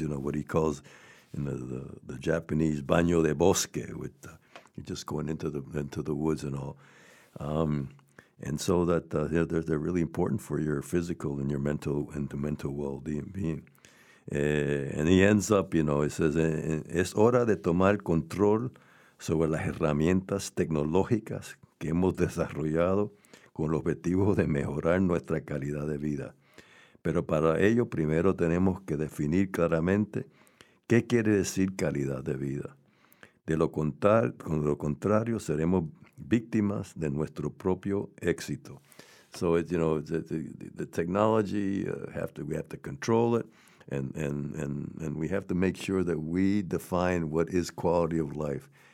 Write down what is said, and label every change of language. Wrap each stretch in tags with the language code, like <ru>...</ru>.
<en>You know what he calls in the Japanese</en> <es>baño de bosque,</es> <en>with you're just going into the woods and all. And so that they're really important for your physical and your mental and the mental well-being. And he ends up, you know, he says</en> <es>es hora de tomar control sobre las herramientas tecnológicas que hemos desarrollado con el objetivo de mejorar nuestra calidad de vida. Pero para ello primero tenemos que definir claramente qué quiere decir calidad de vida. De lo contrario, seremos víctimas de nuestro propio éxito.</es> <en>So, it, you know, the technology, we have to control it, and we have to make sure that we define what is quality of life.</en>